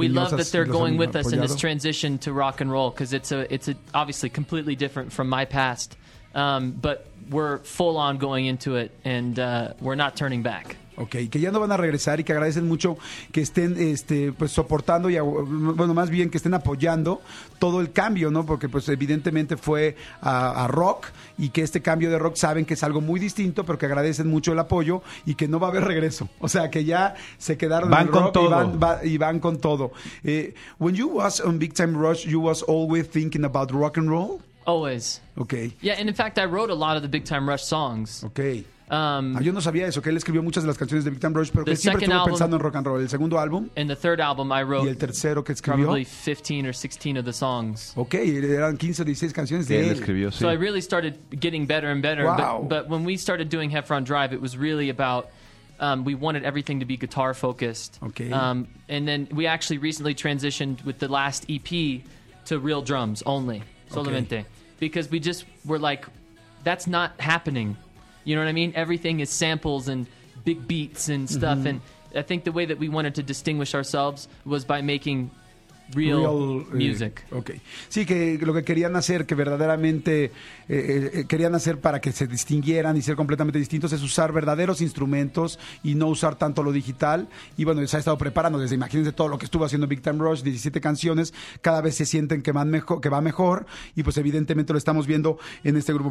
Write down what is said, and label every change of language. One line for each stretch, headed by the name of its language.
English: we love that they're going with us in this transition to rock and roll, because it's obviously completely different from my past. But we're full on going into it, and we're not turning back.
Spanish: Okay, que ya no van a regresar y que agradecen mucho que estén pues soportando y bueno, más bien que estén apoyando todo el cambio, ¿no? Porque pues evidentemente fue a rock, y que este cambio de rock saben que es algo muy distinto, pero que agradecen mucho el apoyo y que no va a haber regreso. O sea, que ya se quedaron van en el rock con todo. Y van con todo.
English: When you was on Big Time Rush, you was always thinking about rock and roll? Always. Okay. Yeah, and in fact I wrote a lot of the Big Time Rush songs. Okay.
Spanish: Yo no sabía eso, que él escribió muchas de las canciones de Big Time Rush, pero que siempre estuvo pensando en rock and roll. El segundo álbum.
English: And the third album I wrote.
Spanish: Y el tercero que escribió.
English: Probably 15 or 16 of the songs.
Spanish: Okay, eran 15 o 16 canciones de él. Escribió, sí.
English: So I really started getting better and better. Wow. But when we started doing Heffron Drive, it was really about we wanted everything to be guitar focused. Okay. And then we actually recently transitioned with the last EP to real drums only, solamente, okay. Because we just were like, that's not happening. You know what I mean? Everything is samples and big beats and stuff. Mm-hmm. And I think the way that we wanted to distinguish ourselves was by making real music. Okay.
Spanish: Sí, que lo que querían hacer, que verdaderamente querían hacer para que se distinguieran y ser completamente distintos, es usar verdaderos instrumentos y no usar tanto lo digital. Y bueno, se ha estado preparando desde, imagínense todo lo que estuvo haciendo Big Time Rush, 17 canciones, cada vez se sienten que va mejor, y pues evidentemente lo estamos viendo en este grupo.